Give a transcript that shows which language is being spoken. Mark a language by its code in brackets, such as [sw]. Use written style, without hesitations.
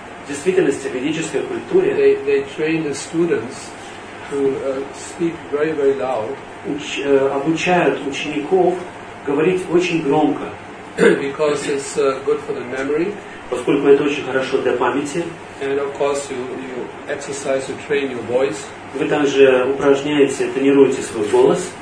[ru] в действительности, в ведической культуре, [en] they train the students to speak very, very loud. [ru] Обучают учеников говорить очень громко. [en] Because it's good for the memory. [ru] Поскольку это очень хорошо для памяти. [en] And of course, you exercise to train your voice. [ru] Вы также упражняете, тренируете свой голос.